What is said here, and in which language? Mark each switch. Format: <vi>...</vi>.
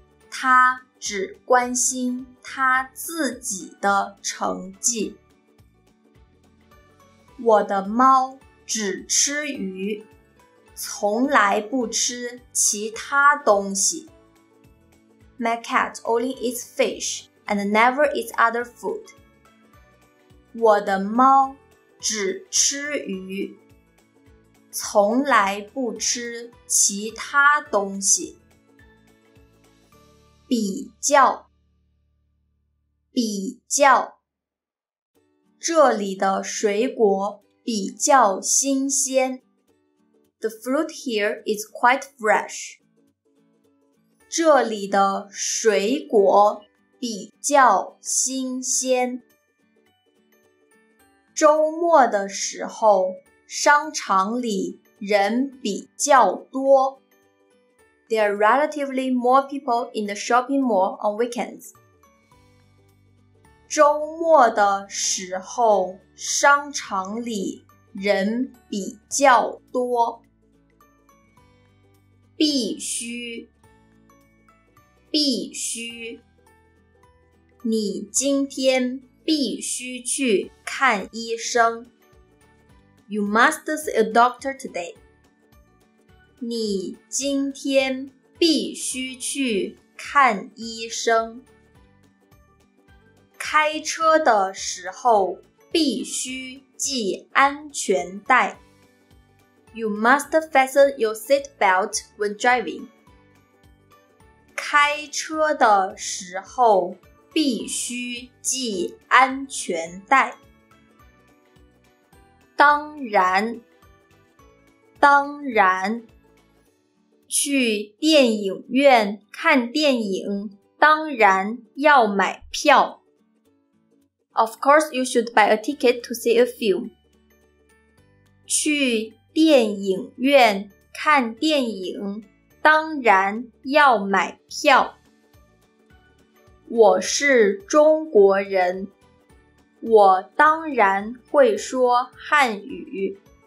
<zh>他只关心他自己的成绩。我的猫只吃鱼，从来不吃其他东西。</zh> <en>My cat only eats fish and never eats other food.</en> <zh>我的猫只吃鱼，从来不吃其他东西。比较，比较。这里的水果比较新鲜。</zh> <en>The fruit here is quite fresh.</en> <zh>这里的水果比较新鲜。周末的时候，商场里人比较多。</zh> <en>There are relatively more people in the shopping mall on weekends.</en> <zh>周末的时候，商场里人比较多。必须，必须。你今天必须去看医生。</zh> <en>You must see a doctor today.</en> <zh>你今天必须去看医生。开车的时候必须系安全带。</zh> <en>You must fasten your seat belt when driving.</en> <zh>开车的时候必须系安全带。当然，当然，去电影院看电影当然要买票。</zh> <en>Of course, you should buy a ticket to see a film.</en> <zh>去电影院看电影当然要买票。我是中国人。我当然会说汉语。</zh>